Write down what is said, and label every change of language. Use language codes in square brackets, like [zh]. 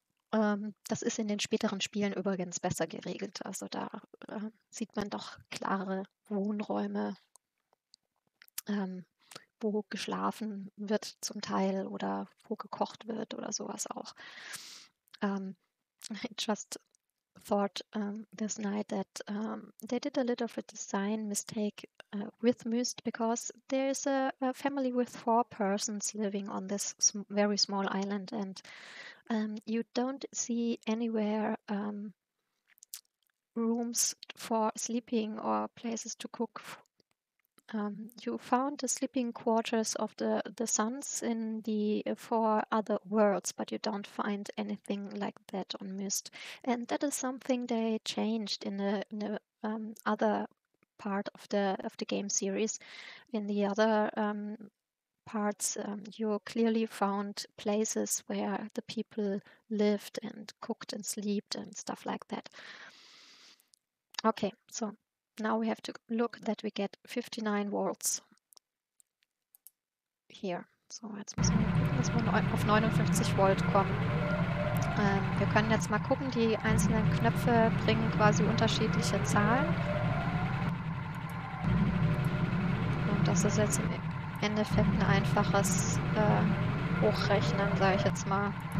[de] Das ist in den späteren Spielen übrigens besser geregelt. Also da sieht man doch klare Wohnräume, wo geschlafen wird zum Teil oder wo gekocht wird oder sowas auch. [en] I just thought this night that they did a little of a design mistake with Myst, because there is a family with 4 persons living on this very small island, and you don't see anywhere rooms for sleeping or places to cook. You found the sleeping quarters of the sons in the 4 other worlds, but you don't find anything like that on Myst. And that is something they changed in the other part of the game series. In the other parts, you clearly found places where the people lived and cooked and slept and stuff like that. Okay, so. Now we have to look that we get 59 volts here. [de] So, jetzt müssen wir gucken, dass wir auf 59 Volt kommen. Wir können jetzt mal gucken, die einzelnen Knöpfe bringen quasi unterschiedliche Zahlen. Und das ist jetzt im Endeffekt ein einfaches Hochrechnen, sage ich jetzt mal.